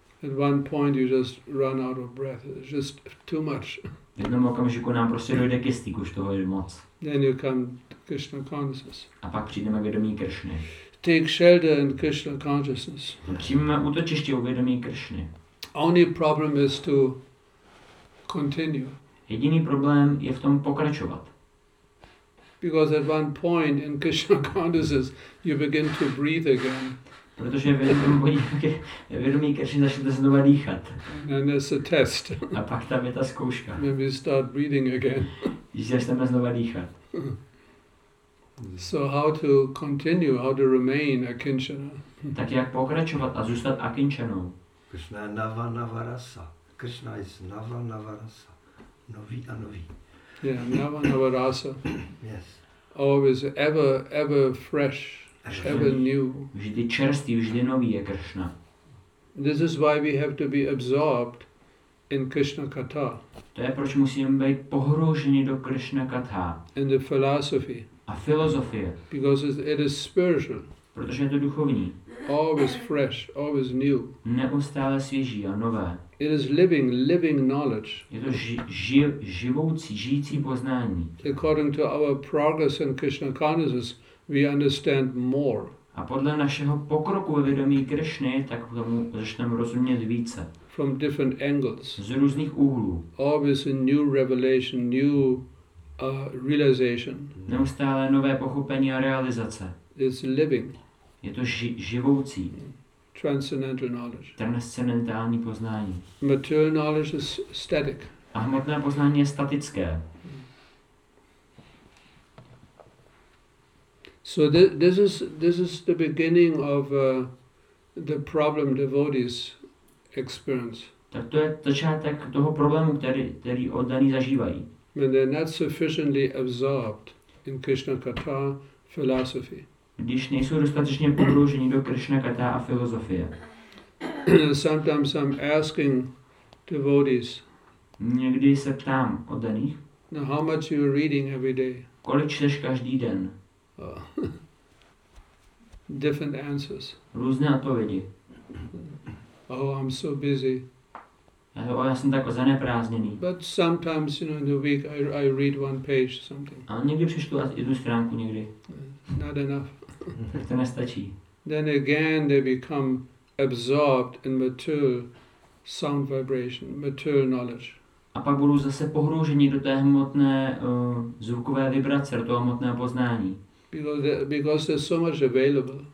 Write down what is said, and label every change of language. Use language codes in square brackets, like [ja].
[en] At one point you just run out of breath. It's just too much. [cs] V jednom okamžiku nám prostě dojde kystík, už toho je moc. [en] Then you come to Krishna consciousness. [cs] A pak přijdeme vědomí Kršny. [en] Take shelter in Krishna consciousness. [cs] Přijmeme útočiště u vědomí Kršny. [en] Only problem is to continue. [cs] Jediný problém je v tom pokračovat. [en] Because at one point in Krishna consciousness you begin to breathe again. [cs] Protože vědomí Kršny začnete znovu dýchat. [en] And there's a test. [cs] A pak tam je ta zkouška. [en] Maybe you start breathing again. [cs] Začneme znovu dýchat. [en] So how to continue, how to remain akinchana? [cs] Tak jak pokračovat a zůstat akinchanou? [en] Krishna nava navarasa. Krishna is nava navarasa. [cs] Nový a nový. [en] Yeah, nava navarasa. Yes. Always ever, ever fresh. Ever new. [cs] Vždy čerstvý, vždy nový je Kršna. [en] This is why we have to be absorbed in Krishna katha. [cs] To je proč musíme být pohrouženi do Krishna katha. [en] In the philosophy. [cs] A filozofie. [en] Because it is spiritual. [cs] Protože je to duchovní. [en] Always fresh, always new. [cs] Neustále svěží a nové. [en] It is living, living knowledge. [cs] Je to živoucí, žijící poznání. [en] According to our progress in Krishna consciousness, we understand more. [cs] A podle našeho pokroku ve vědomí Krishny, tak tomu začneme rozumět více. [en] From different angles. [cs] Z různých úhlů. [en] Always a new revelation, new realization. [cs] Neustále nové pochopení a realizace. [en] It's living. [cs] Je to živoucí. [en] Transcendental knowledge. [cs] Transcendentální poznání. [en] Material knowledge is static. [cs] A hmotné poznání je statické. [en] So this is the beginning of the problem devotees experience. [cs] Tak to je začátek toho problému, který oddaní zažívají. [en] When they're not sufficiently absorbed in Krishna katha philosophy. [cs] Když nejsou dostatečně pohrouženi do Krishna katha a filozofie. [en] Sometimes I'm asking devotees. [cs] Někdy se ptám oddaných. [en] Now how much you reading every day? [cs] Kolik čteš každý den? [en] Different answers. [cs] Různé odpovědi. [en] Oh, I'm so busy. [cs] Já jsem tak zaneprázdněný. [en] But sometimes, you know, in the week I read one page something. [cs] A někdy přečtu jednu stránku někdy. [en] Not enough. [cs] Tak to nestačí. [en] Then again they become absorbed in material sound vibration, material knowledge. [cs] A pak budou zase pohrouženi do té hmotné zvukové vibrace, do toho hmotného poznání. [en] Because there's so much available.